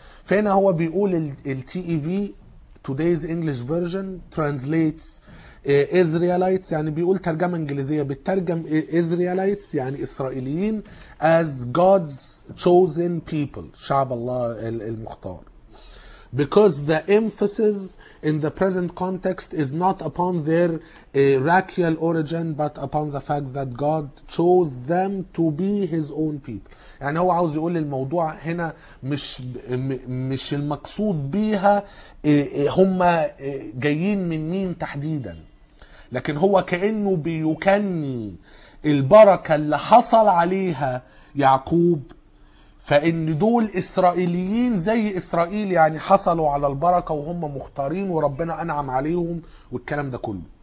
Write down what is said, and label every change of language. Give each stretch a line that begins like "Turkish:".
Arabic: فهنا هو بيقول
English: TEV Today's English Version translates Israelites،
Arabic: يعني بيقول ترجمة انجليزية بتترجم Israelites يعني اسرائيليين،
English: as God's chosen people
Arabic: شعب الله المختار.
English: Because the emphasis in the present context is not upon their racial origin but upon the fact that God chose them to be his own people.
Arabic: يعني هو عاوز يقول الموضوع هنا مش المقصود بيها هم جايين من مين تحديدا، لكن هو كأنه بيكني البركة اللي حصل عليها يعقوب، فإن دول إسرائيليين زي إسرائيل، يعني حصلوا على البركة وهم مختارين وربنا أنعم عليهم والكلام ده كله.